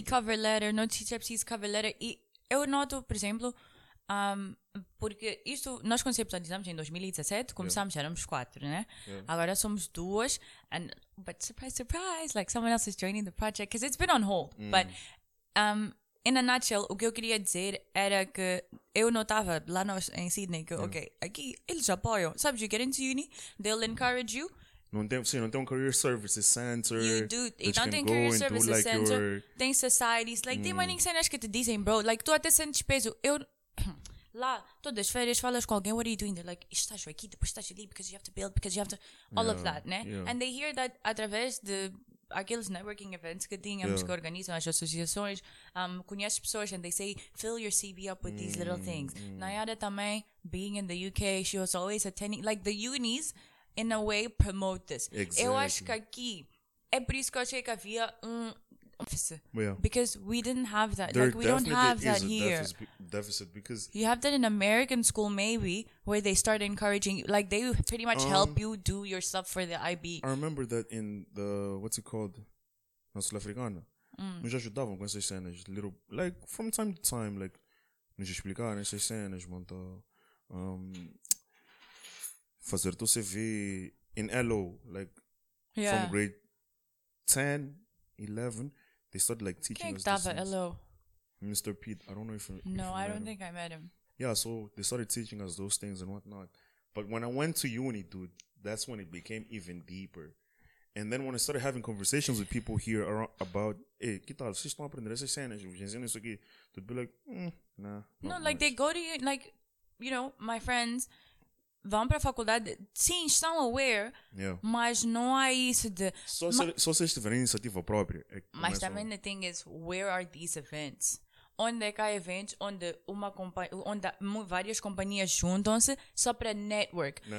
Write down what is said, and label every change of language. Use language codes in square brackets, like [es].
[pt] E cover letter, não te chama, precisa cover letter. E eu noto, por exemplo, porque isso nós conceptualizamos em 2017, começamos, éramos quatro, né? [en] Yeah. [pt] Agora somos duas, [en] but surprise, surprise, like someone else is joining the project, because it's been on hold. Mm. But in a nutshell, [pt] o que eu queria dizer era que eu notava lá em Sydney que, ok, aqui eles apoiam. Sabes, [en] you get into uni, they'll encourage you. [pt] Não tem career services center. [en] You do. [pt] Então tem [en] career services like center. [pt] Tem [en] societies. [pt] Like, tem [en] mining centers [pt] que te dizem, bro, like, tu até sentes peso. Eu... lá, todas as férias, falas com alguém, [en] what are you doing? They're like, [pt] estás aqui, depois estás ali, [en] because you have to build, because you have to... All of that, né? Yeah. And they hear that [pt] através de aqueles networking events que tínhamos, que organizam as associações, conheces pessoas, [en] and they say, fill your CV up with these little things. Mm. Nayara também, being in the UK, she was always attending... Like, the unis, in a way, promote this. Exactly. [pt] Eu acho que aqui, é por isso que eu achei que havia [en] Yeah. Because we didn't have that. There, like, we don't have that here. Deficit because you have that in American school, maybe, where they start encouraging you. Like, they pretty much help you do your stuff for the IB. I remember that in the, what's it called? [pt] Na Sul-Africana. Nos ajudavam com essas cenas. [en] Little, like, from time to time, like, [pt] nos explicaram essas cenas, montar, fazer teu CV in LO, like, [en] yeah. From grade 10, 11. They started, like, teaching us this. Hello. Mr. Pete, I don't know if I don't think I met him. Yeah, so they started teaching us those things and whatnot. But when I went to uni, dude, that's when it became even deeper. And then when I started having conversations with people here around, about, hey, [pt] que tal? Vocês estão aprendendo essas cenas? Vocês ensinam isso aqui? [en] They'd be like, nah. No, like, they go to, like, you know, my friends... [pt] Vão para a faculdade, sim, estão aware, mas não há isso de... Só se eles tiverem iniciativa própria. Mas também [en] the thing is, where are these events? [pt] Onde é que há eventos onde, várias companhias juntam-se só para network.